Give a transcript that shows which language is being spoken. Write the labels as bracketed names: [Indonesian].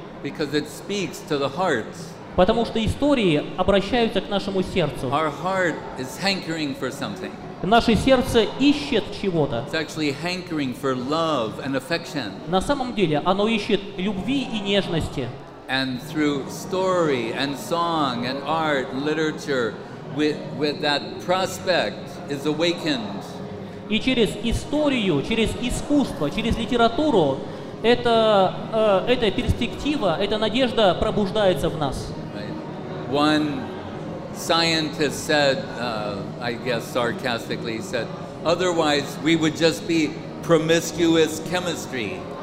[English] Because it speaks to the hearts. [Russian] Потому что истории обращаются к нашему сердцу. [English] Our heart is hankering for something. [Russian] Наше сердце ищет чего-то. [English] It's actually hankering for love and affection. [Russian] На самом деле оно ищет любви и нежности. [English] And through story and song and art and literature, with that prospect is awakened. [Russian] И через историю, через искусство, через литературу, эта перспектива, эта надежда пробуждается в нас. [English] Right. One scientist said, I guess sarcastically, he said, otherwise we would just be promiscuous chemistry.